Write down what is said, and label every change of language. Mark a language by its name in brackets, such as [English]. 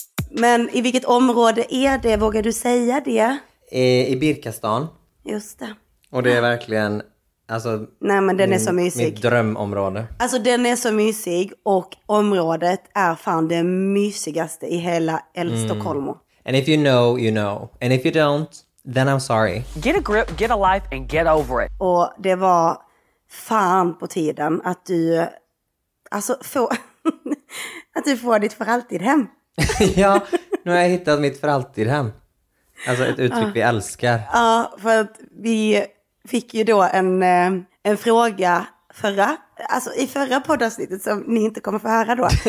[Swedish] Men i vilket område är det? Vågar du säga det? I Birkastan. Just det. Och det är verkligen... Alltså, nej, men den är så mysig. Mitt drömområde. Alltså den är så mysig och området är fan det mysigaste i hela Stockholm. [English] And if you know, you know. And if you don't, then I'm sorry. Get a grip, get a life and get over it. [Swedish] Och det var fan på tiden att du alltså får att du får ditt för alltid hem. Ja, nu har jag hittat mitt för alltid hem. Alltså ett uttryck vi älskar. Ja, för att vi fick ju då en fråga förra, alltså i förra poddavsnittet som ni inte kommer få höra då.